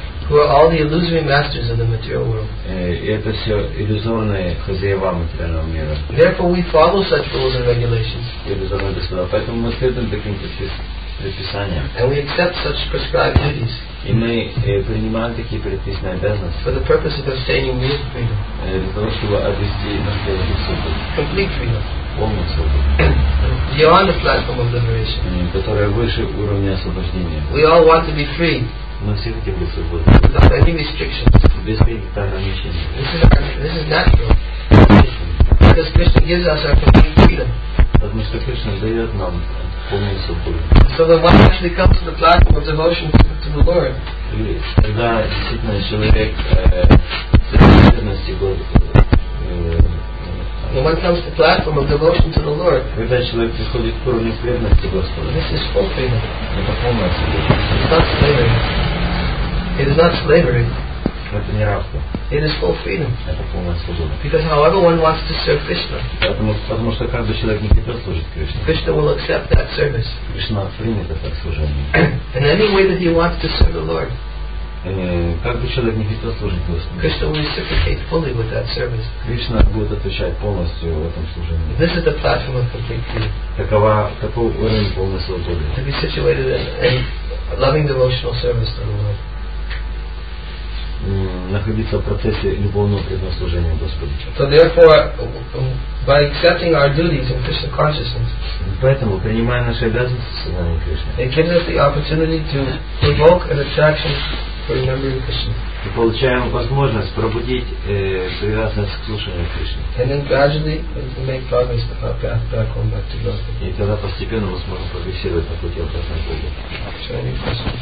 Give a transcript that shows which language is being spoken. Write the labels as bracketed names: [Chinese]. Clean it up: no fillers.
[English] who are all the illusory masters of the material world. [Russian] Это все иллюзорные хозяева материального мира. [English] Therefore, we follow such rules and regulations. [Russian] Иллюзорные господа, поэтому мы следуем таким предписаниям. [English] And we accept such prescribed duties. [Russian] И мы принимаем такие предписанные обязанности. [English] For the purpose of obtaining real freedom. [Russian] Для того, чтобы обрести настоящую свободу. [English] Complete freedom. [Russian] Полную свободу. [English] Beyond the platform of liberation. [Russian] Которая выше уровня освобождения. [English] We all want to be free. [Russian] Мы все хотим быть свободны. [English] Without any restrictions. [Russian] Без каких-то ограничений. [English] This is natural. Because Krishna gives us our complete freedom. [Russian] Потому что Кришна дает нам полную свободу. [English] So when one actually comes to the platform of devotion to the Lord. [Russian] Когда действительно человек с верности [English] when one comes to the platform of devotion to the Lord. [Russian] Когда человек приходит к уровню преданности Господу. [English] This is full freedom. [Russian] Это полная свобода. [English] It's not slavery. It is not slavery. [Russian] Это не рабство. [English] It is full freedom. [Russian] Это полная свобода. [English] Because however one wants to serve Krishna. [Russian] Потому что каждый человек не хотел служить Кришне. [English] Krishna will accept that service. [Russian] Кришна примет это служение. [English] In any way that he wants to serve the Lord. [Russian] Как бы человек не хотел служить Господу. [English] Krishna will reciprocate fully with that service. [Russian] Кришна будет отвечать полностью в этом служении. [English] This is the platform of complete freedom. [Russian] Таков уровень полной свободы. [English] To be situated in loving devotional service to the Lord. [Russian] Находиться в процессе любовного преданного служения Господу. [English] So therefore, by accepting our duties in Krishna consciousness, [Russian] поэтому принимая наши обязанности в сознании Кришны, [English] it gives us the opportunity to provoke an attraction for remembering Krishna. [Russian] И получаем возможность пробудить привязанность к слушанию Кришны. [English] And then gradually make progress to our path back home back to Godhead. [Russian] И тогда постепенно мы сможем прогрессировать на пути обратно к Богу.